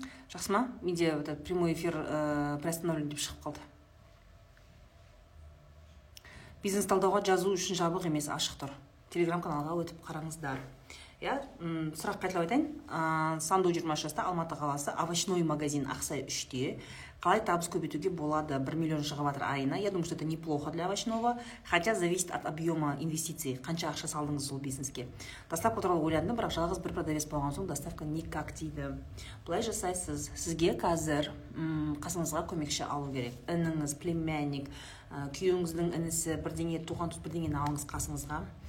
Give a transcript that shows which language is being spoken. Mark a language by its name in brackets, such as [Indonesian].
[Kazakh] Жақсы ма? Менде [Russian] прямой эфир приостановлен [Kazakh] деп шығып қалды. Бизнес талдауға жазу үшін жабық емес, ашық тұр. Телеграм каналға өтіп қараңыздар. Сұрақ қайталап айтайын. Санду 23 жаста Алматы қаласы овощной магазин Ақсай 3-те қалай табыс көбейтуге болады? 1 миллион шығып жатыр айына. [Russian] Я думаю, что это неплохо для овощного, хотя зависит от объема инвестиций. [Kazakh] Қанша ақша салдыңыз сол бизнеске? Доставка туралы ойландым, бірақ жалғыз бір продавец болған соң [Russian] доставка никак [Kazakh] дейді. Бұлай жасайсыз. Сізге қазір қасыңызға көмекші алу керек. Ініңіз, племянник, күйеуіңіздің інісі, бірдеңе туған туыс, бірдеңені алыңыз қасыңызға.